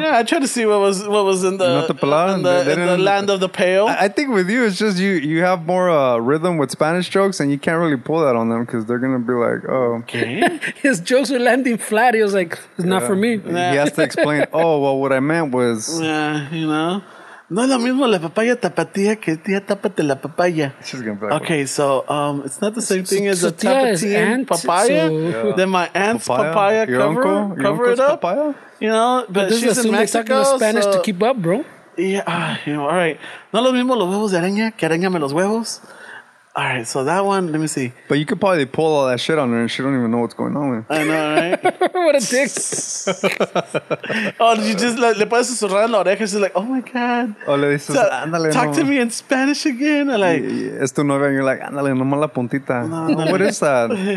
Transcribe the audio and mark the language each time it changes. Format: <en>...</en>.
<en>Yeah, I tried to see what was in the... Not the pala? In the land of the pale. I think with you, it's just you have more rhythm with Spanish jokes, and you can't really pull that on them because they're going to be like, oh. Okay. His jokes are landing flat. He was like, it's not for me. Nah. He has to explain, oh, well, what I meant was... Yeah, you know?</en> <es>No es lo mismo la papaya tapatía que tía tápate la papaya.</es> <en>Okay, so it's not the same thing as the tapatía papaya. So. Then my aunt's papaya cover it up. Papaya? You know, but this she's is in Mexico, talking Spanish so. To keep up, bro. Yeah, you know, all right.</en> <es>No es lo mismo los huevos de araña que araña me los huevos.</es> <en>All right, so that one, let me see. But you could probably pull all that shit on her and she don't even know what's going on. I know, right? What a dick. Oh, did you just</en> <es>le puedes susurrar en la oreja?</es> <en>She's like, oh my God.</en> <es>Oh, le dices, ándale,</es> <en>talk to me in Spanish again. I'm like,</en> <es>es tu novia,</es> <en>and you're like,</en> <es>ándale, nomás la puntita.</es> <en>No, what is that?</en>